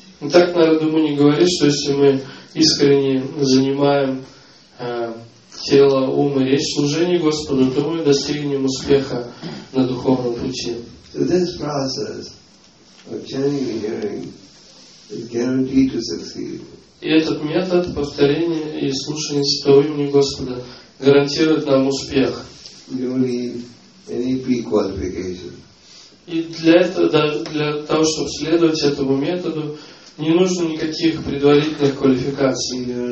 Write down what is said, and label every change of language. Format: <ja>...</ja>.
<ru>Так Нарада Муни говорит, что если мы искренне занимаем тело, ум и речь в служении Господу, то мы достигнем успеха на духовном пути.</ru> <en>So this process of chanting and hearing is guaranteed to succeed.</en> <ru>И этот метод повторения и слушания святого имени Господа гарантирует нам успех.</ru> <en>You don't need any pre-qualification.</en> <ru>И для этого, для того, чтобы следовать этому методу, не нужно никаких предварительных квалификаций.</ru>